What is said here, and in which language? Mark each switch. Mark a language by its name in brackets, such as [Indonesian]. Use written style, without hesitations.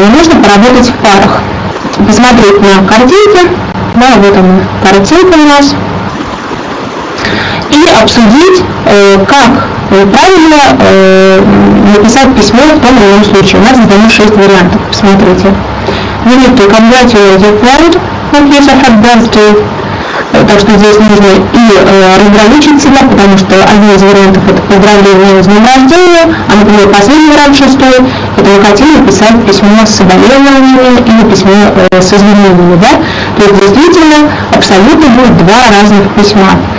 [Russian] Нам нужно поработать в парах. Посмотреть на картинки, да, вот она, картинка у нас, и обсудить, как правильно написать письмо в том или ином случае. У нас задано 6 вариантов, посмотрите. [English] We need to congratulate your friend, who has a hard birthday. [Russian] Так что здесь нужно и разграничить себя, потому что один из вариантов – это поздравление с днем рождения, а, например, последний вариант – шестой, это мы хотим написать письмо с соболезнованиями или письмо с извинениями, да? То есть, действительно, абсолютно будет два разных письма.